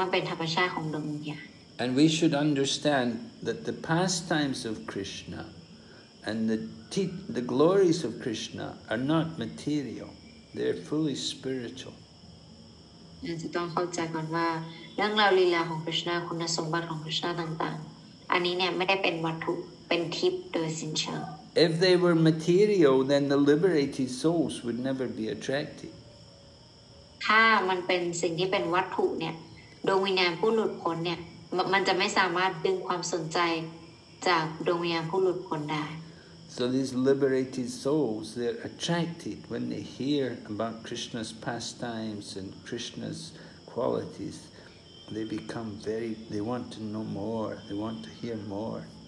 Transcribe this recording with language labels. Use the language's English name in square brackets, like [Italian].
[English] And we should understand that the pastimes of Krishna and the glories of Krishna are not material, they are fully spiritual. [Thai] เราจะต้องเข้าใจก่อนว่าเรื่องราวลีลาของคริสต์นาคุณสมบัติของคริสต์นาต่างๆอันนี้เนี่ยไม่ได้เป็นวัตถุเป็นทิพย์โดยสิ้นเชิง [English] If they were material then the liberated souls would never be attracted [Thai] ถ้ามันเป็นสิ่งที่เป็นวัตถุเนี่ยดวงวิญญาณผู้หลุดพ้นเนี่ยมันจะไม่สามารถดึงความสนใจจากดวงวิญญาณผู้หลุดพ้นได้ [English] So these liberated souls, they're attracted when they hear about Krishna's pastimes and Krishna's qualities. They want to know more, they want to hear more.